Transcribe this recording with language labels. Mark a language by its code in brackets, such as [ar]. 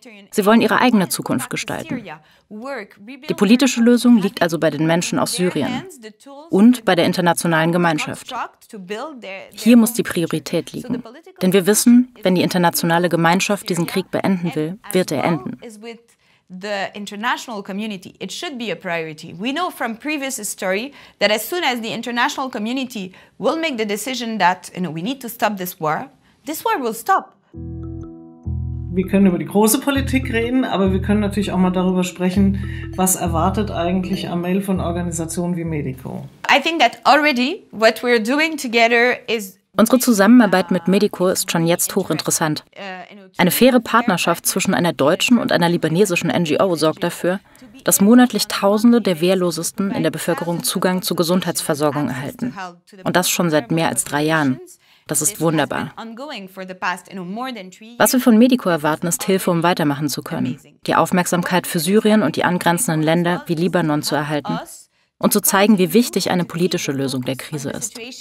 [de] Sie wollen ihre eigene Zukunft gestalten. Die politische Lösung liegt also bei den Menschen aus Syrien und bei der internationalen Gemeinschaft. Hier muss die Priorität liegen. Denn wir wissen, wenn die internationale Gemeinschaft diesen Krieg beenden will, wird er enden. [en] The international community, it should be a priority. We know from previous history that as soon as the international community will make the decision that, you know, we need to stop this war will stop. [de] Wir können über die große Politik reden, aber wir können natürlich auch mal darüber sprechen, was erwartet eigentlich Amel von Organisationen wie Medico? [en] I think that already what we're doing together is... [de] Unsere Zusammenarbeit mit Medico ist schon jetzt hochinteressant. Eine faire Partnerschaft zwischen einer deutschen und einer libanesischen NGO sorgt dafür, dass monatlich Tausende der Wehrlosesten in der Bevölkerung Zugang zu Gesundheitsversorgung erhalten. Und das schon seit mehr als 3 Jahren. Das ist wunderbar. Was wir von Medico erwarten, ist Hilfe, um weitermachen zu können, die Aufmerksamkeit für Syrien und die angrenzenden Länder wie Libanon zu erhalten und zu zeigen, wie wichtig eine politische Lösung der Krise ist.